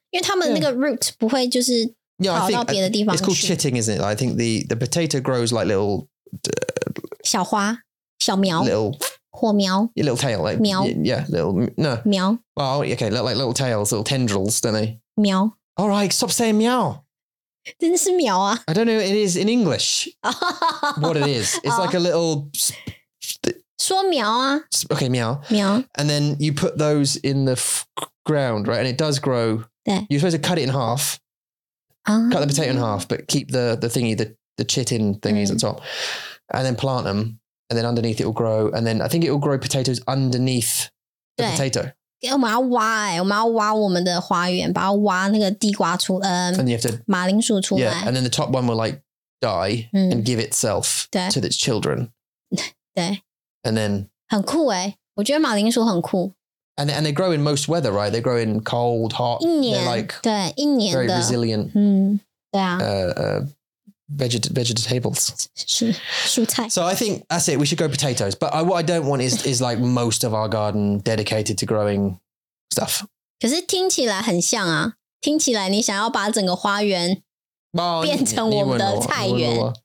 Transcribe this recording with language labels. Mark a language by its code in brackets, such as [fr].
[zh] 因为他们那个 root 不会就是跑到别的地方去。 [en] Yeah, I think, it's called chitting, isn't it? I think the potato grows like little... [zh] 小花，小苗。 [en] Little... [zh] 火苗。 [en] Your little tail, like... [zh] 苗。 [en] Yeah, little... No. [zh] 苗。 [en] Well, okay, like little tails, little tendrils, don't they? [zh] 苗。 [en] All right, stop saying 苗。 [zh] 真的是苗啊 [en] I don't know it is in English What it is It's like a little [zh] 说苗啊 [en] Okay 苗 [zh] 苗 [en] And then you put those in the ground right And it does grow [zh] 对 [en] You're supposed to cut it in half、Cut the potato in half But keep the thingy The chitin thingies、on top And then plant them And then underneath it will grow And then I think it will grow potatoes Underneath the potato [zh] 我们要挖欸我们要挖我们的花园把它挖那个地瓜出 [en] and you have to, [zh] 马铃薯出来 [en] Yeah, and then the top one will like die and give itself to its children [zh] 对 [en] And then [zh] 很酷欸我觉得马铃薯很酷 [en] and they grow in most weather, right? They grow in cold, hot [zh] 一年 [en] They're like [zh] 对一年的 [en] Very resilient [zh] 对啊 [en] Vegetables. [zh] 蔬菜 [en] So I think that's it. We should grow potatoes. But what I don't want is like most of our garden dedicated to growing stuff. [zh] 可是听起来很像啊。听起来你想要把整个花园变成我们的菜园。